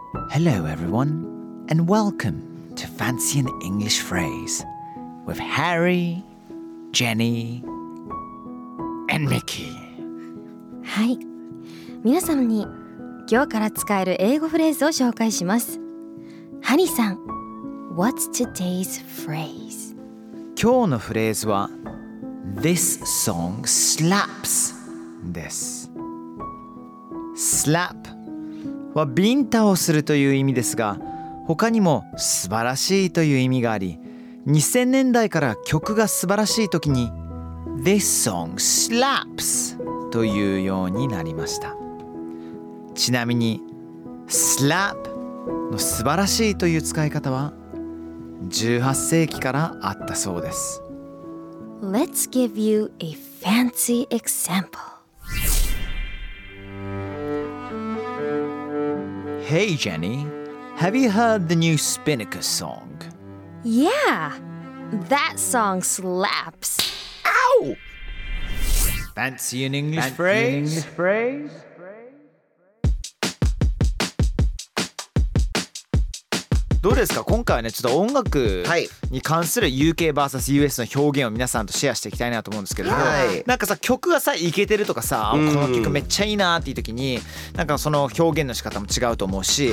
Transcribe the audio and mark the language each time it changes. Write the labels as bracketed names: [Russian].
[English] Hello everyone, and welcome to Fancy an English Phrase with Harry, Jenny, and Mickey. [Japanese] はい、皆さんに今日から使える英語フレーズを紹介します。 [English] ハニーさん、What's today's phrase? [Japanese] 今日のフレーズは This song slaps です。 Slap はビンタをするという意味ですが、他にも素晴らしいという意味があり、2000年代から曲が素晴らしい時に This song slaps というようになりました。ちなみに slap の素晴らしいという使い方は18世紀からあったそうです。 [English] Let's give you a fancy example。 Hey Jenny, have you heard the new Spinnaker song? Yeah, that song slaps. Ow! Fancy an English phrase? [Japanese] どうですか、今回はね、ちょっと音楽に関する UKVSUS の表現を皆さんとシェアしていきたいなと思うんですけど、はい、なんかさ、曲がさイケてるとかさ、この曲めっちゃいいなっていう時に、なんかその表現の仕方も違うと思うし、